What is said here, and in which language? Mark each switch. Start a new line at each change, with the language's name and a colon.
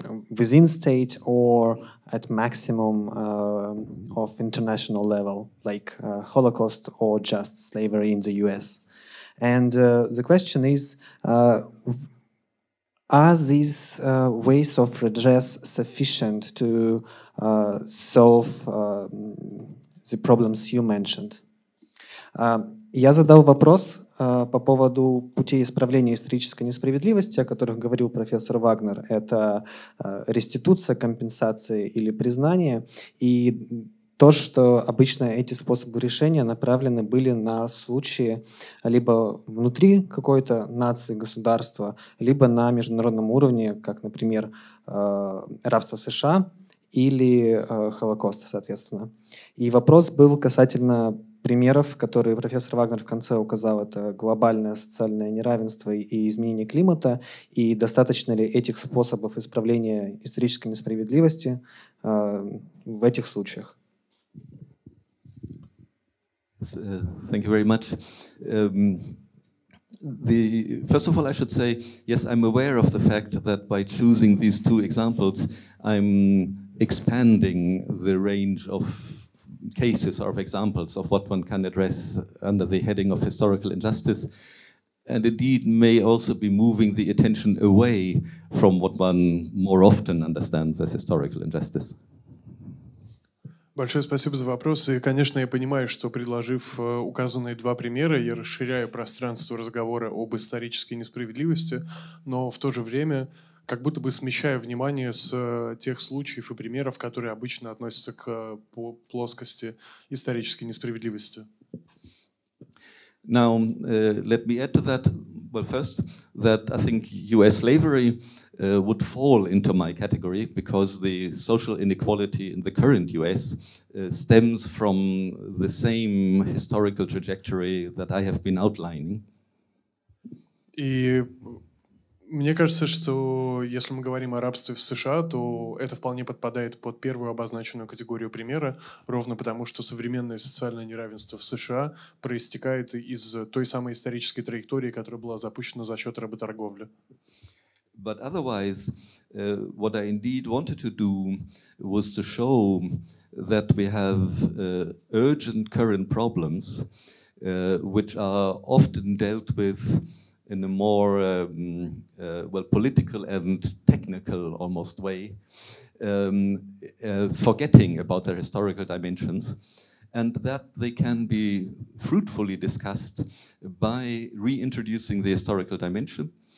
English: within state or at maximum of international level, like Holocaust or just slavery in the US. And the question is, are these ways of redress sufficient to solve the problems you mentioned?
Russian: Я задал вопрос по поводу путей исправления исторической несправедливости, о которых говорил профессор Вагнер. Это реституция, компенсация или признание. И то, что обычно эти способы решения направлены были на случаи либо внутри какой-то нации, государства, либо на международном уровне, как, например, рабство США или Холокост, соответственно. И вопрос был касательно примеров, которые профессор Вагнер в конце указал, это глобальное социальное неравенство и изменение климата, и достаточно ли этих способов исправления исторической несправедливости в этих случаях?
English: Thank you very much. First of all, I should say, yes, I'm aware of the fact that by choosing these two examples, I'm expanding the range of cases or of examples of what one can address under the heading of historical injustice, and indeed may also be moving the attention away from what one more often understands as historical injustice.
Russian: Большое спасибо за вопрос. И, конечно, я понимаю, что, предложив указанные два примера, я расширяю пространство разговора об исторической несправедливости, но в то же время как будто бы смещая внимание с тех случаев и примеров, которые обычно относятся к плоскости исторической несправедливости.
English: Now, let me add to that, well, first, that I think US slavery would fall into my category, because the social inequality in the current US stems from the same historical trajectory that I have been outlining.
Russian: И мне кажется, что если мы говорим о рабстве в США, то это вполне подпадает под первую обозначенную категорию примера, ровно потому, что современное социальное неравенство в США проистекает из той самой исторической траектории, которая была запущена за счет работорговли.
English: But otherwise, what I indeed wanted to do was to show that we have urgent current problems, which are often dealt with in a more well political and technical almost way, forgetting about their historical dimensions, and that they can be fruitfully discussed by reintroducing the historical dimension